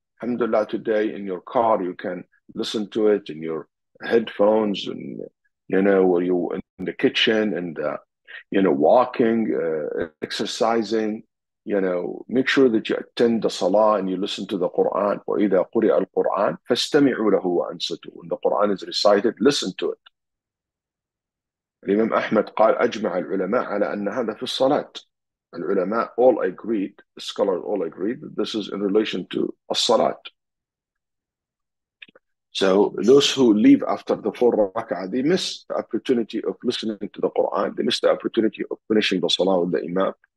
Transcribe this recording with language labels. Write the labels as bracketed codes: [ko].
[en] Alhamdulillah, today in your car, you can listen to it in your headphones and, you know, where you in the kitchen and, you know, walking, exercising, you know, make sure that you attend the salah and you listen to the Quran. [ar] وَإِذَا قُرِئَ الْقُرْآنِ فَاسْتَمِعُوا لَهُ وَأَنْصِتُوا. [en] When the Quran is recited, listen to it. [ar] Imam Ahmad قال أجمع العلماء على أن هذا في الصلاة. العلماء [en] all agreed, the scholars all agreed, that this is in relation to الصلاة. So those who leave after the four rak'ah, they miss the opportunity of listening to the Quran. They miss the opportunity of finishing the salah with the imam.